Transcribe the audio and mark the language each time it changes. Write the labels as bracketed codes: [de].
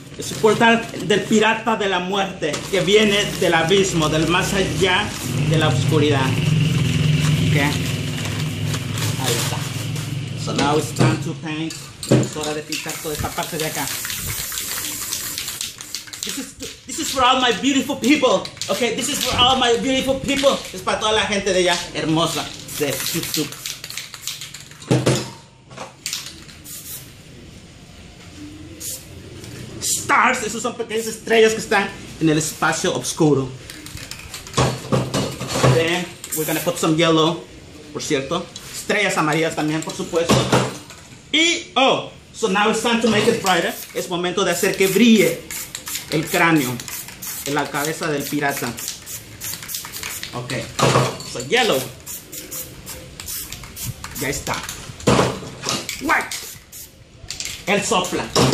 [es] Es un portal del pirata de la muerte que viene del abismo, del más allá de la oscuridad. Okay. Ahí está. [en] So now it's time to paint. [es] Es hora de pintar toda esta parte de acá. [en] This is for all my beautiful people. Okay, this is for all my beautiful people. [es] Es para toda la gente de allá, hermosa, de YouTube. Stars, esas son pequeñas estrellas que están en el espacio oscuro. [en] Then we're gonna put some yellow, [es] por cierto. Estrellas amarillas también, por supuesto. [en] Y, oh, so now it's time to make it brighter. [es] Es momento de hacer que brille el cráneo, en la cabeza del pirata. [en] Ok, so yellow. [es] Ya está. White. El sopla.